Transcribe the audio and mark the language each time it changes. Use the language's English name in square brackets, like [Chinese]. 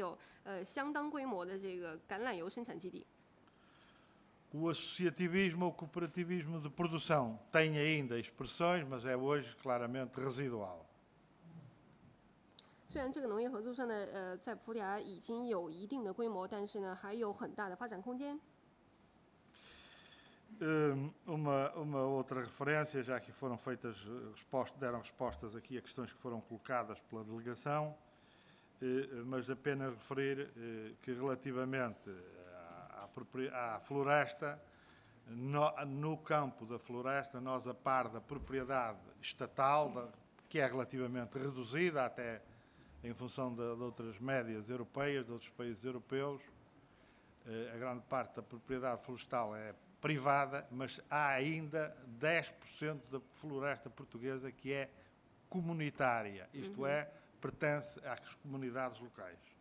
[Chinese] 同时呢，在葡萄牙的中部和北部地区呢，我们有相当规模的这个橄榄油生产基地。 [Portuguese] O associativismo ou cooperativismo de produção tem ainda expressões, mas é hoje claramente residual. [Chinese] 虽然这个农业合作社呢，在葡萄牙已经有一定的规模，但是呢，还有很大的发展空间。 [Portuguese] uma outra referência, já que foram feitas respostas, deram respostas aqui a questões que foram colocadas pela delegação, mas apenas referir que relativamente à floresta, no campo da floresta, nós a par da propriedade estatal, que é relativamente reduzida até em função de outras médias europeias, de outros países europeus, a grande parte da propriedade florestal é privada, mas há ainda 10% da floresta portuguesa que é comunitária, isto é, pertence às comunidades locais.